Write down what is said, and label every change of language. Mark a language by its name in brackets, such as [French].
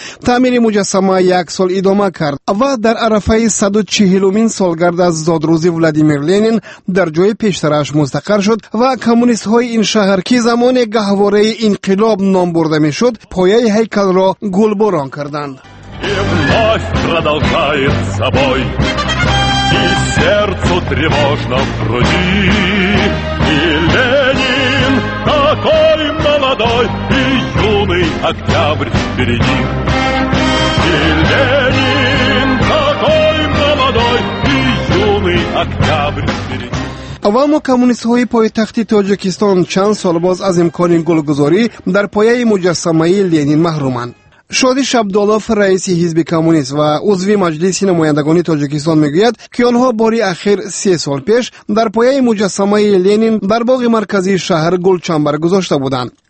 [Persian] تعمیر مجسمه یک سال ادامه کرد و در عرفه 140 سالگرد از زادروزی ولادیمیر لینین در جای پیشترش مستقر شد و کمونیست های این شهر که زمان گهواره انقلاب نام برده می شد پایه هیکل را گلباران کردند. [Russian] Сердцу тревожно в груди, и Ленин такой молодой, и юный октябрь впереди. И Ленин такой молодой, и юный октябрь впереди. [Persian] و اما کمونیست های پایتخت تاجیکستان چند سال باز از امکان گلگذاری در پایه مجسمه لینین محرومند. شادی شبدالوف رئیس حزب کمونیست و عضو مجلس نمایندگان تاجیکستان میگوید که آنها باری اخیر 3 سال پیش در پایه مجسمه لینین در باغ مرکزی شهر گلچنبر گذاشته بودند.